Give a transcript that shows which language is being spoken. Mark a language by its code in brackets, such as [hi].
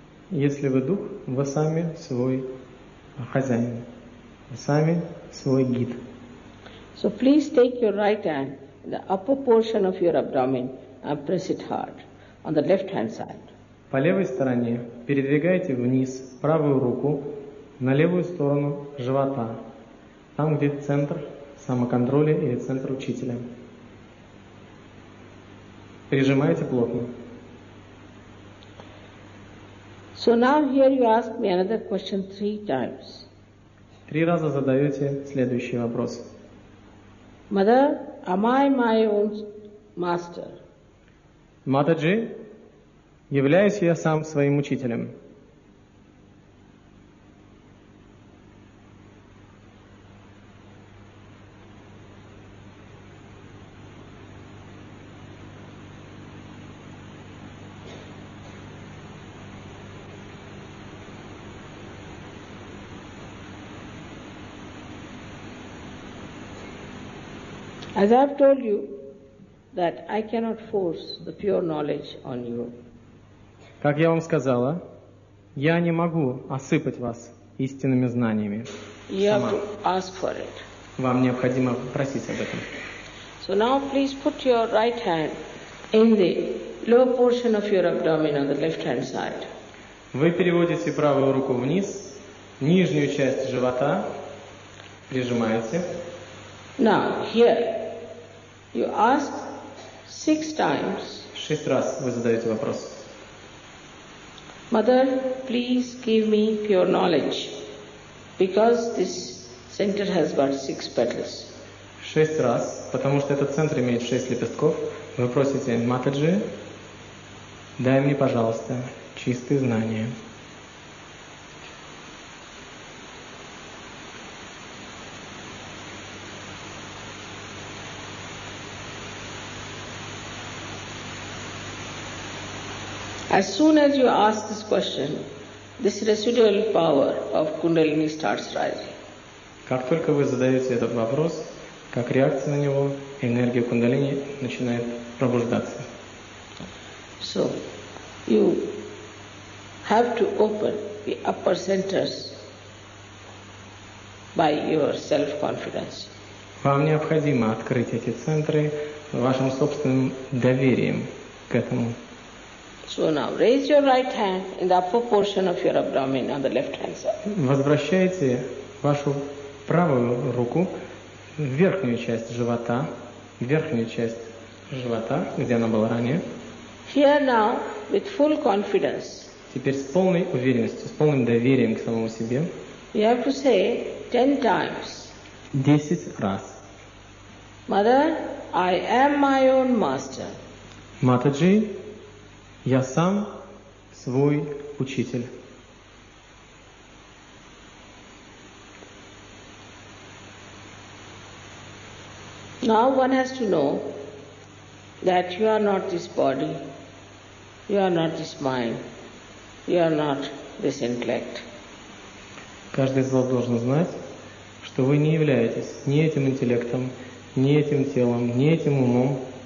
[ru] Если вы дух, вы сами свой хозяин, вы сами свой гид. [en] So please take your right hand, the upper portion of your abdomen, and press it hard on the left hand side. [ru] По левой стороне передвигайте вниз правую руку на левую сторону живота, там где центр самоконтроля или центр учителя. Прижимайте плотно. [en] So now here you ask me another question three times. [ru] Три раза задаете следующий вопрос. [en] Mother, am I my own master? [ru] Матаджи, являюсь я сам своим учителем? [en] As I have told you, that I cannot force the pure knowledge on you. [ru] Как я вам сказала, я не могу осыпать вас истинными знаниями. [en] You have to ask for it. [ru] Вам необходимо просить об этом. [en] So now please put your right hand in the lower portion of your abdomen on the left hand side. [ru] Вы переводите правую руку вниз, нижнюю часть живота, прижимаете. [en] Now, here. You ask six times. [ru] Шесть раз вы задаете вопрос. [en] Mother, please give me pure knowledge, because this center has got six petals. [ru] Шесть раз, потому что этот центр имеет шесть лепестков. Вы просите, Матаджи, дай мне, пожалуйста, чистые знания. [en] As soon as you ask this question, this residual power of Kundalini starts rising. [ru] Как только вы задаете этот вопрос, как реакция на него, энергия Кундалини начинает пробуждаться. [en] So, you have to open the upper centers by your self-confidence. [ru] Вам необходимо открыть эти центры вашим собственным доверием к этому. [en] So now raise your right hand in the upper portion of your abdomen on the left hand side. [ru] Возвращайте вашу правую руку в верхнюю часть живота, где она была ранее. [en] Here now, with full confidence. [ru] Теперь с полной уверенностью, с полным доверием к самому себе. [en] You have to say 10 times. [ru] 10 раз. [en] Mother, I am my own master. [ru] Матаджи, я сам свой учитель. [en] Now one has to know that you are not this body, you are not this mind, you are not this intellect. [ru] Каждый из вас должен знать, что вы не являетесь ни этим интеллектом, ни этим телом, ни этим умом.